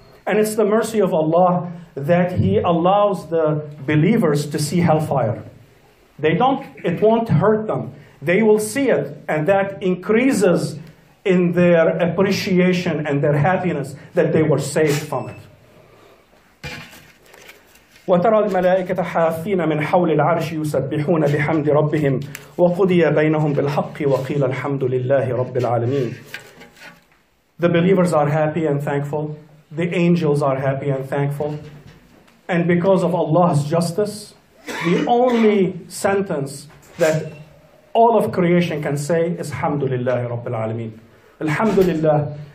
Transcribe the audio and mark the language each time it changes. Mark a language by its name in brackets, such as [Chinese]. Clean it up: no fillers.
[English] And it's the mercy of Allah that He allows the believers to see hellfire. It won't hurt them. They will see it, and that increases in their appreciation and their happiness that they were saved from it. [Arabic] وترى الملائكة حافين من حول العرش يسبحون بحمد ربهم وقضي بينهم بالحق وقيل الحمد لله رب العالمين. [English] The believers are happy and thankful. The angels are happy and thankful. And because of Allah's justice, the only sentence that all of creation can say is [Arabic] حمد لله رب العالمين. الحمد لله.